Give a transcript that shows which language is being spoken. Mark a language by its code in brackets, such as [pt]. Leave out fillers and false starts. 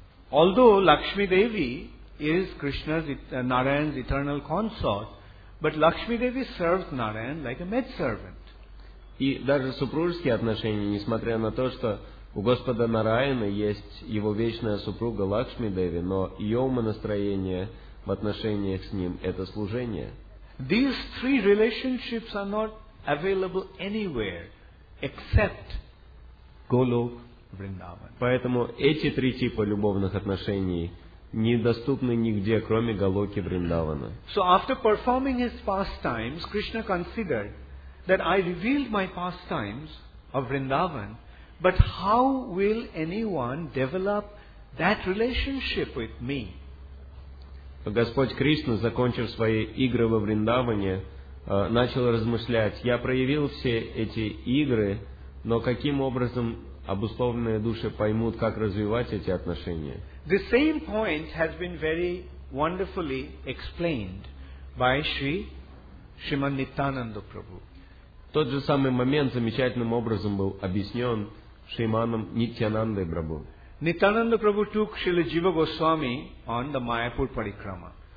[en] Although Lakshmi Devi is Krishna's Narayan's eternal consort, but Lakshmi Devi serves Narayan like a maidservant. [ru] И даже супружеские отношения, несмотря на то, что у Господа Нараяна есть его вечная супруга Лакшми Деви, но ее умонастроение в отношениях с ним – это служение. [en] These three relationships are not available anywhere except Golok Vrindavan. [ru] Поэтому эти три типа любовных отношений недоступны нигде, кроме Голоки Вриндавана. [en] So after performing his pastimes, Krishna considered that I revealed my pastimes of Vrindavan, but how will anyone develop that relationship with me? [ru] Господь Кришна, закончив свои игры во Вриндаване, начал размышлять, я проявил все эти игры, но каким образом обусловленные души поймут, как развивать эти отношения. [en] The same point has been very wonderfully explained by Sriman Nityananda Prabhu. [ru] Тот же самый момент замечательным образом был объяснен Шриманом Нитьянандой Прабху. [en] Nityananda Prabhu took Srila Jiva Goswami on the Mayapur Parikrama.